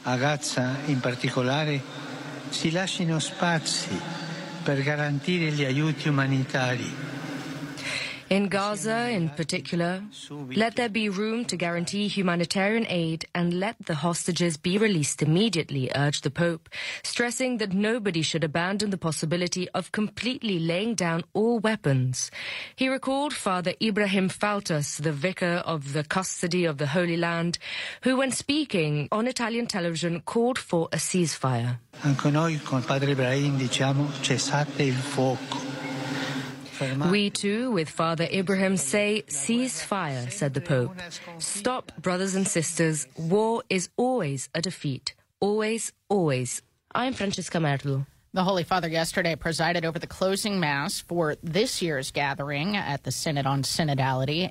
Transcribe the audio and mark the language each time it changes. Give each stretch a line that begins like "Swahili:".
Italian: A Gaza, in particolare, si lasciano spazi per garantire gli aiuti umanitari.
English: In Gaza, in particular, let there be room to guarantee humanitarian aid and let the hostages be released immediately, urged the Pope, stressing that nobody should abandon the possibility of completely laying down all weapons. He recalled Father Ibrahim Faltas, the vicar of the Custody of the Holy Land, who, when speaking on Italian television, called for a ceasefire.
Italian: Anche noi con Padre Ibrahim diciamo cessate il fuoco.
English: We too, with Father Ibrahim, say, cease fire, said the Pope. Stop, brothers and sisters. War is always a defeat. Always, always. I'm Francesca Merlo. The Holy Father yesterday presided over the closing mass for this year's gathering at the Synod on Synodality.